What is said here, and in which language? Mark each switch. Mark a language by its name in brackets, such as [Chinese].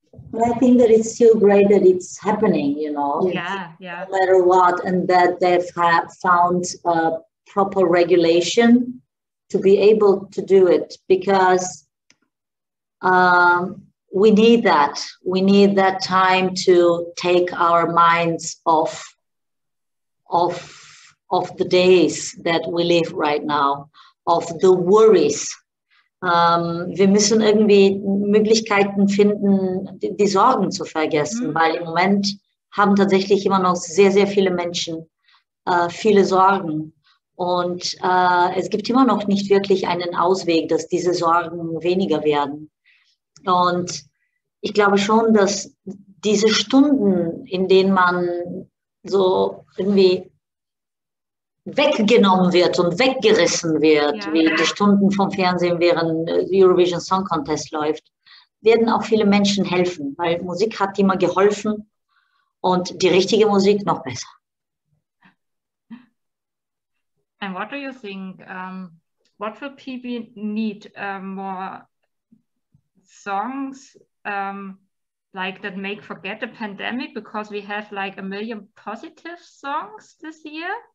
[English] But I think that it's still great that it's happening, you know, no matter what, and that they've found a proper regulation to be able to do it, because we need that. We need that time to take our minds off the days that we live right now, of the worries. [German] Wir müssen irgendwie Möglichkeiten finden, die Sorgen zu vergessen, weil im Moment haben tatsächlich immer noch sehr, sehr viele Menschen viele Sorgen. Und es gibt immer noch nicht wirklich einen Ausweg, dass diese Sorgen weniger werden. Und ich glaube schon, dass diese Stunden, in denen man so irgendwie weggenommen wird und weggerissen wird, wie die Stunden vom Fernsehen, während Eurovision Song Contest läuft, werden auch viele Menschen helfen, weil Musik hat immer geholfen und die richtige Musik noch besser. [English] And what do you think, what will people need, more songs like that make forget the pandemic, because we have like a million positive songs this year?